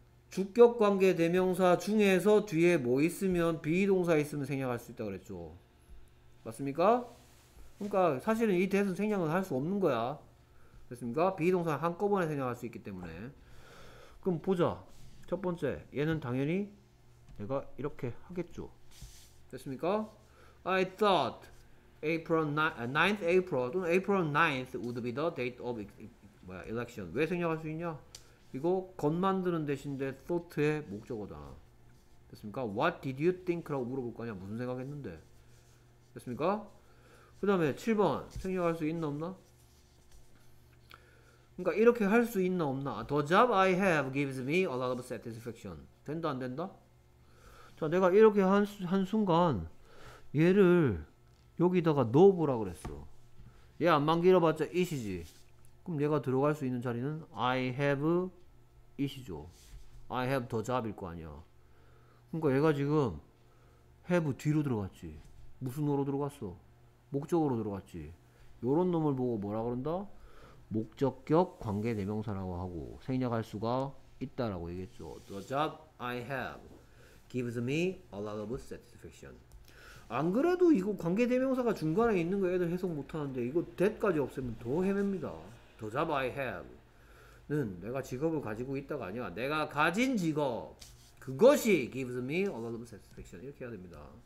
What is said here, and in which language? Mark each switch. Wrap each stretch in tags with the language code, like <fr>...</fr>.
<ko>주격 관계 대명사 중에서 뒤에 뭐 있으면 비동사 있으면 생략할 수 있다 그랬죠. 맞습니까? 그러니까 사실은 이 대수는 생략을 할수 없는 거야. 됐습니까? 비동사 한꺼번에 생략할 수 있기 때문에. 그럼 보자. 첫 번째, 얘는 당연히 내가 이렇게 하겠죠. 됐습니까?</ko> <en>I thought April 9th, 9th April</en> <ko>또는</ko> <en>April 9th would be the date of election.</en> <ko>왜 생략할 수 있냐? 이거 겉 만드는 대신에 thought의 목적어잖아. 됐습니까?</ko> <en>What did you think</en> <ko>라고 물어볼 거냐? 무슨 생각했는데? 됐습니까? 그 다음에 7번 생략할 수 있나 없나? 그러니까 이렇게 할수 있나 없나?</ko> <en>The job I have gives me a lot of satisfaction.</en> <ko>된다 안 된다? 자, 내가 이렇게 한 순간 얘를 여기다가 넣어보라 그랬어. 얘 안만 길어봤자 it이지. 그럼 얘가 들어갈 수 있는 자리는</ko> <en>I have it</en> <ko>이죠.</ko> <en>I have the job</en> <ko>일 거 아니야. 그러니까 얘가 지금 have 뒤로 들어갔지. 무슨 어로 들어갔어? 목적으로 들어갔지. 요런 놈을 보고 뭐라 그런다? 목적격 관계대명사라고 하고 생략할 수가 있다라고 얘기했죠.</ko> <en>The job I have gives me a lot of satisfaction.</en> <ko>안 그래도 이거 관계대명사가 중간에 있는 거 애들 해석 못하는데 이거 that까지 없애면 더 헤맵니다.</ko> <en>The job I have</en> <ko>는 내가 직업을 가지고 있다가 아니라 내가 가진 직업 그것이</ko> <en>gives me a lot of satisfaction</en> <ko>이렇게 해야 됩니다.</ko>